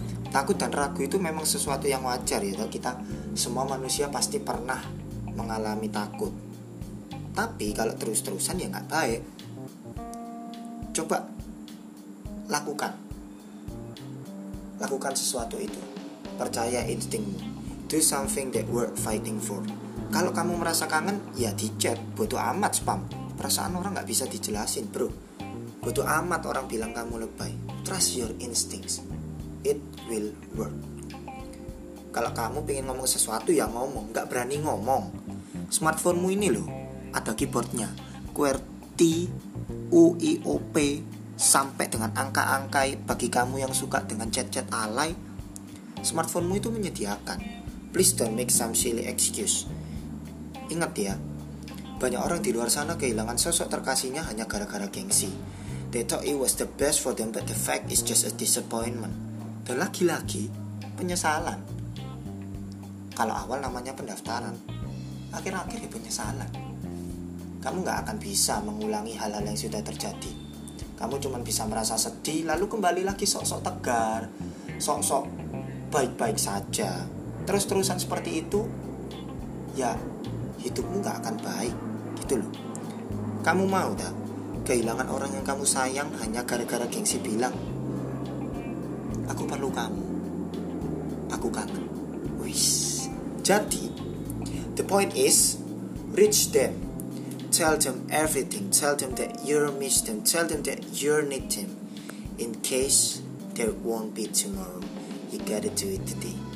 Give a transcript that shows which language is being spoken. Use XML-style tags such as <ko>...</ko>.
<id>Takut dan ragu itu memang sesuatu yang wajar ya. Kita semua manusia pasti pernah mengalami takut. Tapi kalau terus-terusan ya gak baik. Coba lakukan sesuatu itu. percaya instingmu.</id> <en>Do something that worth fighting for.</en> <id>Kalau kamu merasa kangen, ya di chat, bodo amat spam. Perasaan orang gak bisa dijelasin, bro. Bodo amat orang bilang kamu lebay.</id> <en>Trust your instincts. It will work.</en> <id>Kalau kamu pengen ngomong sesuatu, ya ngomong. Gak berani ngomong. Smartphone-mu ini loh, ada keyboard-nya. QWERTY, UIOP, sampai dengan angka-angka bagi kamu yang suka dengan chat-chat alay. Smartphone-mu itu menyediakan.</id> <en>Please don't make some silly excuse.</en> <id>Ingat ya, banyak orang di luar sana kehilangan sosok terkasihnya hanya gara-gara gengsi.</id> <en>They thought it was the best for them, but the fact is just a disappointment.</en> <id>Dan lagi-lagi, penyesalan. Kalau awal namanya pendaftaran, akhir-akhir ya penyesalan. Kamu gak akan bisa mengulangi hal-hal yang sudah terjadi. Kamu cuma bisa merasa sedih, lalu kembali lagi sok-sok tegar, sok-sok baik-baik saja. Terus-terusan seperti itu, ya hidupmu gak akan baik, gitu loh. Kamu mau dah kehilangan orang yang kamu sayang hanya gara-gara gengsi bilang, aku perlu kamu, aku kangen.</id> <en>Wish.</en> <id>Jadi,</id> <en>the point is, reach them. Tell them everything. Tell them that you miss them. Tell them that you need them. In case there won't be tomorrow, you gotta do it today.</en>